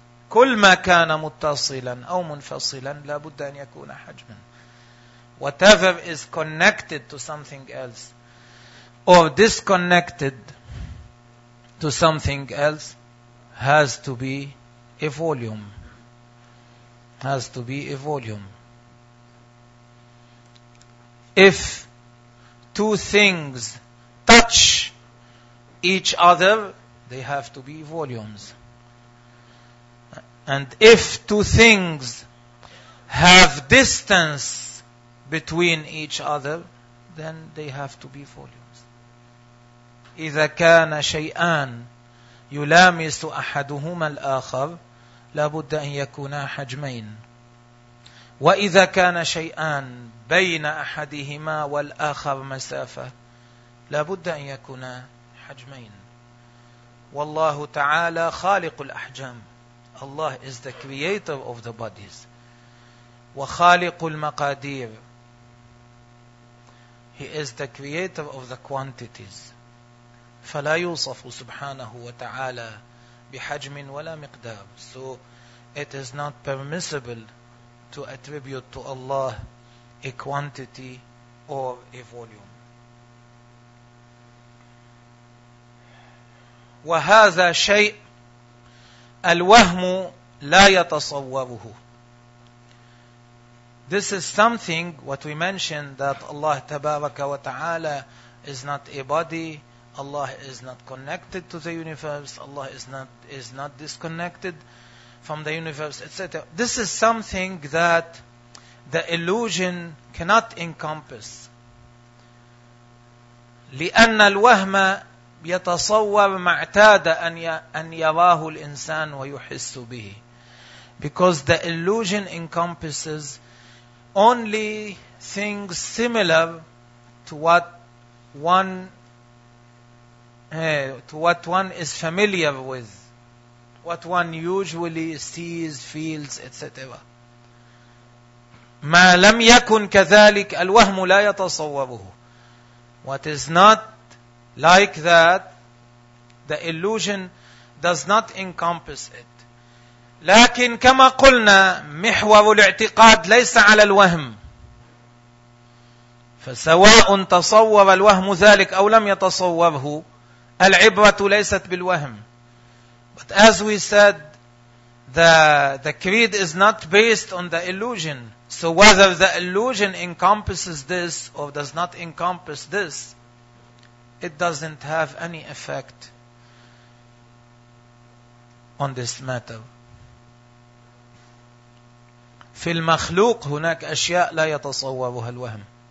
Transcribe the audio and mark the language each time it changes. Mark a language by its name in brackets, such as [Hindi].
[Arabic] كل ما كان متصلا أو منفصلا لابد أن يكون حجما. [English] Whatever is connected to something else or disconnected to something else has to be a volume. Has to be a volume. If two things touch each other, they have to be volumes. And if two things have distance between each other, then they have to be volumes. [Arabic] إذا كان شيئان يلامس أحدهما الآخر لابد أن يكونا حجمين. وإذا كان شيئان بين أحدهما والآخر مسافة لابد أن يكونا حجمين. والله تعالى خالق الأحجام. [English] Allah is the creator of the bodies. [Arabic] وخالق المقادير. [English] He is the creator of the quantities. [Arabic] فلا يوصف سبحانه وتعالى بحجم ولا مقدار. [English] So it is not permissible to attribute to Allah a quantity or a volume. [Arabic] وهذا شيء الوهم لا يتصوره. [English] This is something what we mentioned, that Allah Tabaraka wa Ta'ala is not a body, Allah is not connected to the universe, Allah is not disconnected from the universe, etc. This is something that the illusion cannot encompass. [Arabic] لأن الوهم يتصور ما اعتاد أن يراه الإنسان ويحس به. [English] Because the illusion encompasses only things similar to what one is familiar with, what one usually sees, feels, etc. [Arabic] ما لم يكن كذلك الوهم لا يتصوره. [English] What is not like that, the illusion does not encompass it. [Arabic] لكن كما قلنا محور الاعتقاد ليس على الوهم، فسواء تصور الوهم ذلك أو لم يتصوره، العبرة ليست بالوهم. [English] But as we said, the creed is not based on the illusion. So whether the illusion encompasses this or does not encompass this, it doesn't have any effect on this matter. [Arabic] في المخلوق هناك أشياء لا يتصورها الوهم.